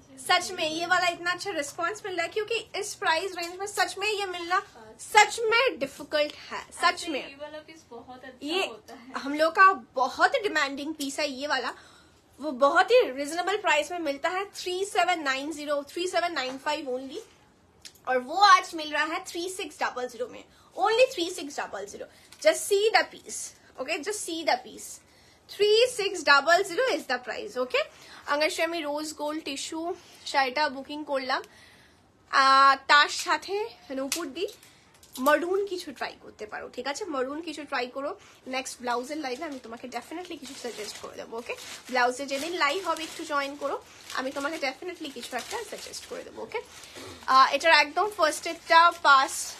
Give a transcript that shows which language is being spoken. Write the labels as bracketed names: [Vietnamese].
[Hindi] सच में ये वाला इतना अच्छा रिस्पॉन्स मिल रहा है क्योंकि इस प्राइस रेंज में सच में ये मिलना सच में डिफिकल्ट है सच में ये होता है हम लोग का बहुत डिमांडिंग पीस है ये वाला वो बहुत ही रिजनेबल प्राइस में मिलता है 3790 3795 ओनली और वो आज मिल रहा है 3600 में only 3600 just see the piece okay just see the piece [English] 3600 is the price, okay? [Bangla] আঙ্গাশে আমি রোজ গোল্ড টিস্যু শাড়িটা বুকিং করলাম তার সাথে নূপুর দি মরুন কিছু ট্রাই করতে পারো ঠিক আছে মরুন কিছু ট্রাই করো নেক্সট ব্লাউজের লাইনে আমি তোমাকে ডেফিনেটলি কিছু সাজেস্ট করে দেবো ওকে ব্লাউজে যেদিন লাইভ হবে একটু জয়েন করো আমি তোমাকে ডেফিনেটলি কিছু একটা সাজেস্ট করে দেবো ওকে এটার একদম ফার্স্টেরটা পাস